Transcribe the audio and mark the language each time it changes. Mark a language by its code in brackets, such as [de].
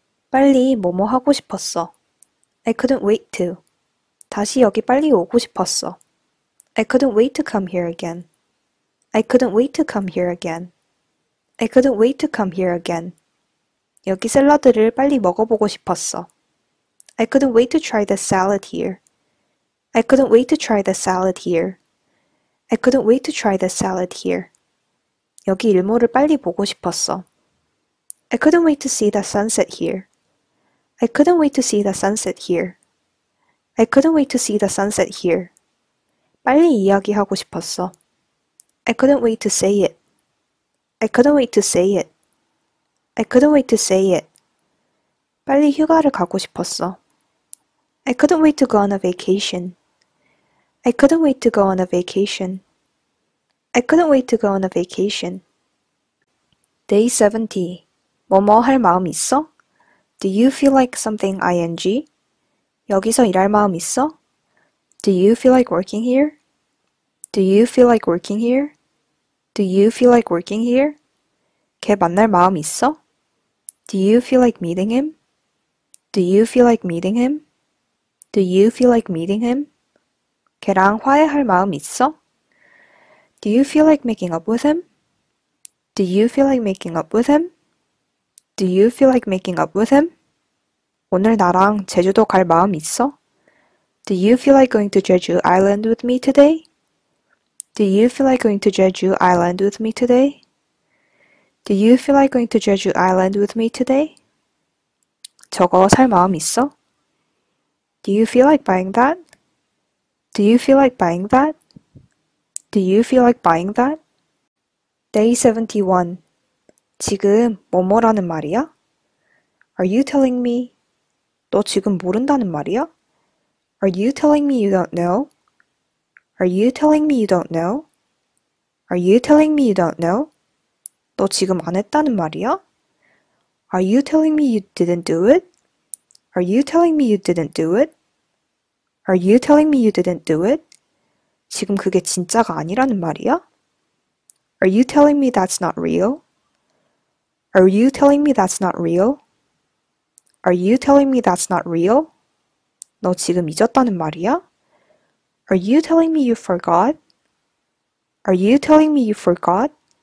[ko] 빨리 뭐뭐 하고 싶었어. [en] I couldn't wait to. [ko] 다시 여기 빨리 오고 싶었어. [en] I couldn't wait to come here again. I couldn't wait to come here again. I couldn't wait to come here again. [ko] 여기 샐러드를 빨리 먹어보고 싶었어. [en] I couldn't wait to try this salad here. I couldn't wait to try this salad here. I couldn't wait to try this salad here. [ko] 여기 일몰을 빨리 보고 싶었어. [en] I couldn't wait to see the sunset here. I couldn't wait to see the sunset here. I couldn't wait to see the sunset here. [ko] 빨리 이야기하고 싶었어. [en] I couldn't wait to say it. I couldn't wait to say it. I couldn't wait to say it. [ko] 빨리 휴가를 가고 싶었어. [en] I couldn't wait to go on a vacation. I couldn't wait to go on a vacation. I couldn't wait to go on a vacation. Day 70. [ko] 뭐뭐 할 마음 있어? [en] Do you feel like something ing? [ko] 여기서 일할 마음 있어? [en] Do you feel like working here? Do you feel like working here? Do you feel like working here? [ko] 걔 만날 마음 있어? [en] Do you feel like meeting him? Do you feel like meeting him? Do you feel like meeting him? [ko] 걔랑 화해할 마음 있어? [en] Do you feel like making up with him? Do you feel like making up with him? Do you feel like making up with him? [ko] 오늘 나랑 제주도 갈 마음 있어? [en] Do you feel like going to Jeju Island with me today? Do you feel like going to Jeju Island with me today? Do you feel like going to Jeju Island with me today? [ko] 저거 살 마음 있어? [en] Do you feel like buying that? Do you feel like buying that? Do you feel like buying that? Day 71. [ko] 지금 뭐뭐라는 말이야? [en] Are you telling me? [ko] 너 지금 모른다는 말이야? [en] Are you telling me you don't know? Are you telling me you don't know? Are you telling me you don't know? [ko] 너 지금 안 했다는 말이야? [en] Are you telling me you didn't do it? Are you telling me you didn't do it? Are you telling me you didn't do it? [ko] 지금 그게 진짜가 아니라는 말이야? [en] Are you telling me that's not real? Are you telling me that's not real? Are you telling me that's not real? [ko] 너 지금 잊었다는 말이야? [en] Are you telling me you forgot? Are you telling me you forgot?